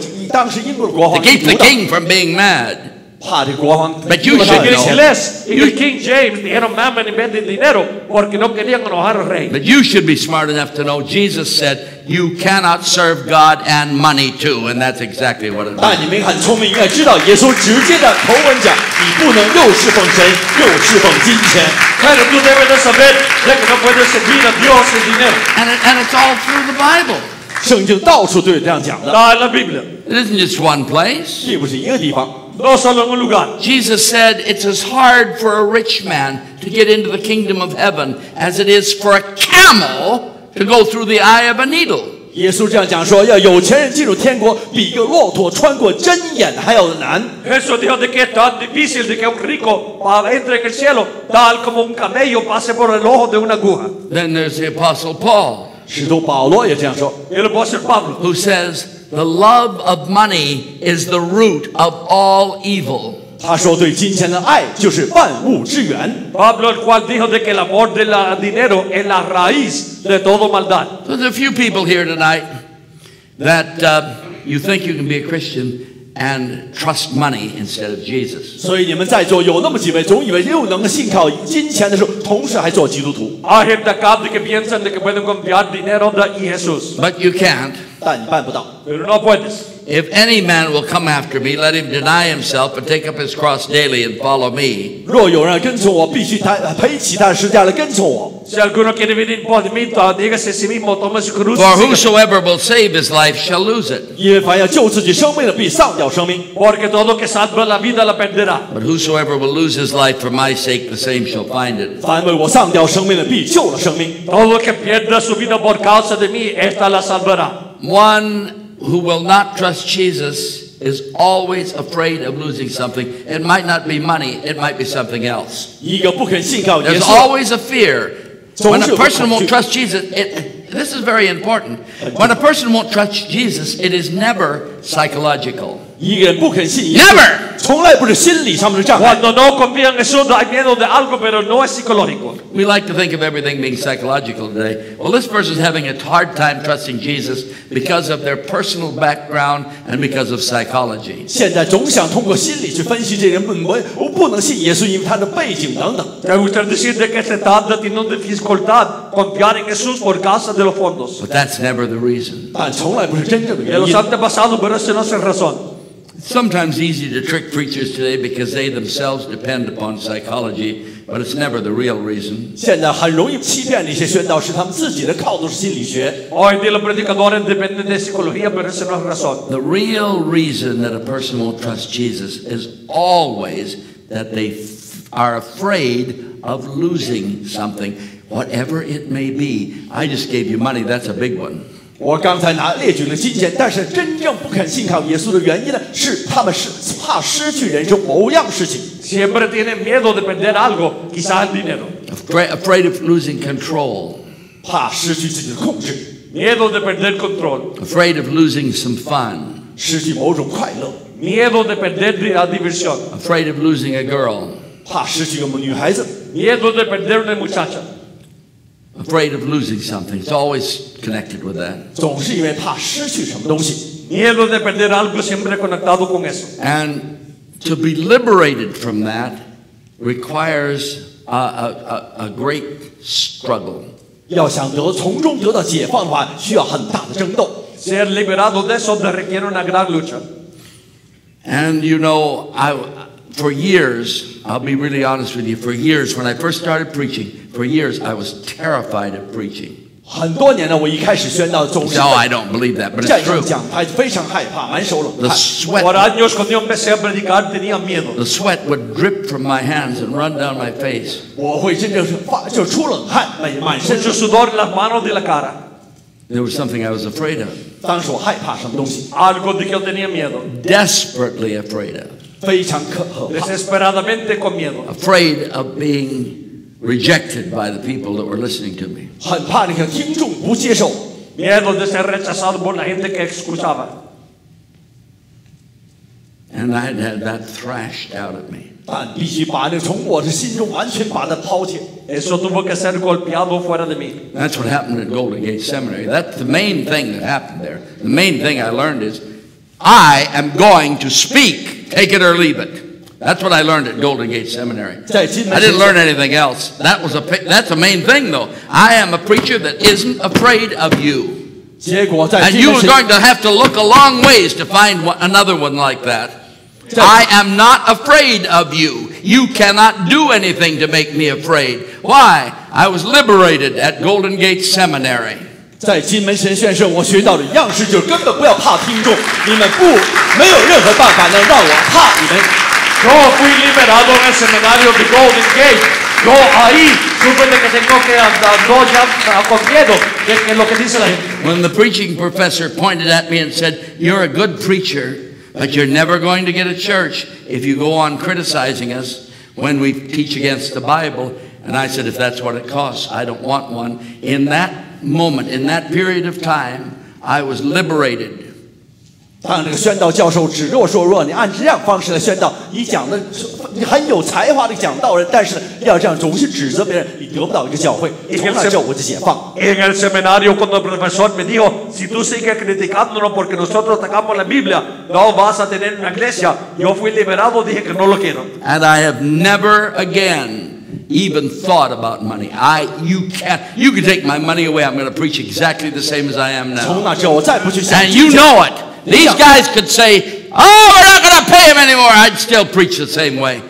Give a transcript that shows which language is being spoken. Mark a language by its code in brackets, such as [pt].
[en] To keep the king from being mad. But you should know. Less, you, [es] King James, dijeron mammon en vez de dinero, porque no querían enojar al rey. [en] But you should be smart enough to know. Jesus said, "You cannot serve God and money too," and that's exactly what it means. [zh] 但你们很聪明，应该知道，耶稣直接的口吻讲，你不能又侍奉神，又侍奉金钱。 [es] Claro, tú debes saber de que no puedes servir a Dios y dinero. [en] And it's all through the Bible. [zh] 圣经到处都有这样讲的。 [en] Not in the Bible. It isn't just one place. [zh] 既不是一个地方。 [en] Jesus said, "It's as hard for a rich man to get into the kingdom of heaven as it is for a camel to go through the eye of a needle." [zh] 耶稣这样讲说，要有钱人进入天国，比一个骆驼穿过针眼还要难。 [es] Jesús dijo de que es tan difícil de que un rico para entrar en el cielo tal como un camello pase por el ojo de una aguja. [en] Then there's the Apostle Paul. [zh] 使徒保罗也这样说。 [es] El apóstol Pablo, [en] who says. The love of money is the root of all evil. [zh] 他说对金钱的爱就是万物之源。 [es] Pablo el cual dijo de que el amor del dinero es la raíz de todo maldad. [en] There's a few people here tonight that you think you can be a Christian and trust money instead of Jesus. [zh] 所以你们在座有那么几位总以为又能信靠金钱的时候，同时还做基督徒。 [es] Hay gente acá de que piensan de que pueden confiar dinero y Jesús. [en] But you can't. [zh] 但你办不到。 [en] If any man will come after me, let him deny himself and take up his cross daily and follow me. [zh] 若有人跟从我，必须他背起他的十字架来跟从我。 [es] Si alguno quiere venir después de mí, dígase a sí mismo, tome su cruz. [en] For whosoever will save his life shall lose it. [zh] 因为凡要救自己生命的，必丧掉生命。 [es] Porque todo que salva la vida la perderá. [en] But whosoever will lose his life for my sake, the same shall find it. [zh] 凡为我丧掉生命的，必救了生命。 [es] Todo que pierda su vida por causa de mí, esta la salvará. [en] One who will not trust Jesus is always afraid of losing something. It might not be money, it might be something else. There's always a fear. When a person won't trust Jesus, this is very important. When a person won't trust Jesus, it is never psychological. Never! [es] Cuando no confía en Jesús, hay miedo de algo, pero no es psicológico. [en] We like to think of everything being psychological today. Well, this person is having a hard time trusting Jesus because of their personal background and because of psychology. [zh] 现在总想通过心理去分析这人不不能信耶稣，因为他的背景等等。 [es] Te gusta decir de que se tarda tiene dificultad confiar en Jesús por causa de los fondos. [en] But that's never the reason. [zh] 但从来不是真正的原因。 [es] Los antepasados, pero ese no es el razón. [en] Sometimes easy to trick preachers today because they themselves depend upon psychology, but it's never the real reason. [zh] 现在很容易欺骗那些宣道士，他们自己的靠都是心理学。 [es] Hoy día los predicadores dependen de psicología, pero ese no es el razón. [en] The real reason that a person won't trust Jesus is always that they are afraid of losing something, whatever it may be. I just gave you money, that's a big one. [zh] 我刚才拿列举了金钱，但是真正不肯信靠耶稣的原因呢，是他们是怕失去人生某样事情。 [es] Siempre tienen miedo de perder algo, quizá el dinero. [en] Afraid of losing control. [zh] 怕失去自己的控制。 [es] Miedo de perder control. [en] Afraid of losing some fun. [zh] 失去某种快乐。 [es] Miedo de perder la diversión. [en] Afraid of losing a girl. [zh] 怕失去一个女孩子。 [es] Miedo de perder una muchacha. [en] Afraid of losing something. It's always connected with that. [zh] 总是因为怕失去什么东西。 [es] Miedo de perder algo siempre conectado con eso. [en] And to be liberated from that requires a great struggle. [zh] 要想得从中得到解放的话，需要很大的争斗。 [es] Ser liberado de eso requiere una gran lucha. [en] And you know, for years, I'll be really honest with you, for years, when I first started preaching, for years, I was terrified of preaching. [zh] 很多年了，我一开始宣道总是 [en] No, I don't believe that, but it's true. [zh] 讲台非常害怕，满手冷汗。 [en] The sweat, [zh] 我的 [es] años cuando yo empecé a predicar, tenía miedo. [en] The sweat would drip from my hands and run down my face. [zh] 我会真正就出冷汗，满身是 [es] sudor en las manos de la cara. [en] There was something I was afraid of. [zh] 当时我害怕什么东西 [es] Algo de que yo tenía miedo. [en] Desperately afraid of. [zh] 非常可怕 [es] Desesperadamente con miedo. [en] Afraid of being rejected by the people that were listening to me. [zh] 很怕那些听众不接受 [es] Miedo de ser rechazado por la gente que escuchaba. [en] And I had that thrashed out of me. [zh] 但必须把那从我的心中完全把它抛弃 [es] Eso tuvo que ser golpeado fuera de mí. [en] That's what happened at Golden Gate Seminary. That's the main thing that happened there. The main thing I learned is I am going to speak. Take it or leave it. That's what I learned at Golden Gate Seminary. I didn't learn anything else. That's the main thing, though. I am a preacher that isn't afraid of you. And you are going to have to look a long ways to find another one like that. I am not afraid of you. You cannot do anything to make me afraid. Why? I was liberated at Golden Gate Seminary. [zh] 在金门神学院时，我学到的样式就是根本不要怕听众，你们不没有任何办法能让我怕你们。 [es] Yo fui liberado en el seminario de Golden Gate. Yo ahí supe de que tengo que andar ya con miedo de que lo que dice la gente. [en] When the preaching professor pointed at me and said, "You're a good preacher, but you're never going to get a church if you go on criticizing us when we teach against the Bible," and I said, "If that's what it costs, I don't want one." In that. Moment in that period of time, I was liberated. [zh] 当那个宣道教授指若说若你按这样方式来宣道，你讲的你很有才华的讲道人，但是要这样总是指责别人，你得不到一个教会，从那教会就解放。 [es] En el seminario cuando el profesor me dijo, si tú sigues criticándonos porque nosotros atacamos la Biblia, no vas a tener una iglesia. Yo fui liberado, dije que no lo quiero. [en] And I have never again. Even thought about money. You can take my money away. I'm going to preach exactly the same as I am now. And you know it. These guys could say, oh, we're not going to pay him anymore. I'd still preach the same way.